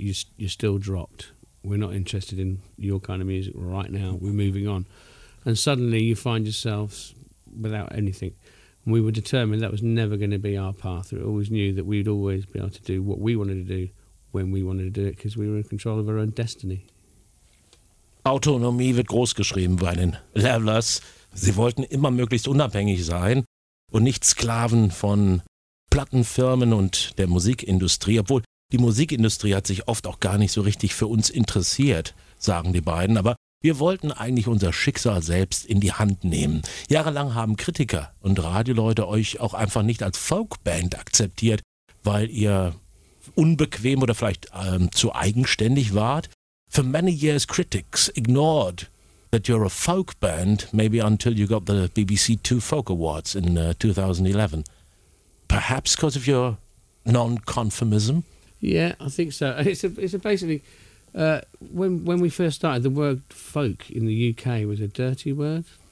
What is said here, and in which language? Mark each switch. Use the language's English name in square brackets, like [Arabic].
[English] You're still dropped. We're not interested in your kind of music right now. We're moving on. And suddenly you find yourselves without anything. And we were determined that was never going to be our path. We always knew that we'd always be able to do what we wanted to do when we wanted to do it, because we were in control of our own destiny. [German] Autonomie wird groß geschrieben bei den Levelers. Sie wollten immer möglichst unabhängig sein und nicht Sklaven von Plattenfirmen und der Musikindustrie, obwohl die Musikindustrie hat sich oft auch gar nicht so richtig für uns interessiert, sagen die beiden, aber wir wollten eigentlich unser Schicksal selbst in die Hand nehmen. Jahrelang haben Kritiker und Radioleute euch auch einfach nicht als Folkband akzeptiert, weil ihr unbequem oder vielleicht zu eigenständig wart. [English] For many years, critics ignored that you're a folk band, maybe until you got the BBC Two Folk Awards in 2011. Perhaps because of your non-conformism? Yeah, I think so. It's basically, when we first started, the word folk in the UK was a dirty word.